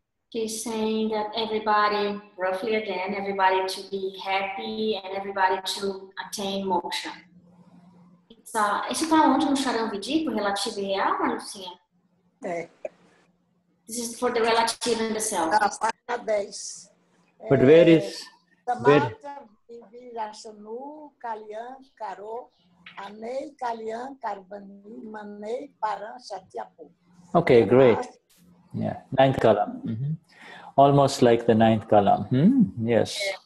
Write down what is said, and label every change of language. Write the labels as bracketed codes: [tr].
[en] She's saying that everybody, roughly again, everybody to be happy and everybody to attain moksha. [pt] Isso está onde no Charanvedi, com relativo e alma, Lucinha? É. [en] This is for the relative and the self. [pt] Página 10. [en] But where is... Samatha, Vivi, Rashanu, Kalyan, Karo, Anei, Kalyan, Karvani, Manei, Paran, Shatyapu. Okay, great. Yeah, ninth column. Mm-hmm. Almost like the ninth column. Hmm? Yes.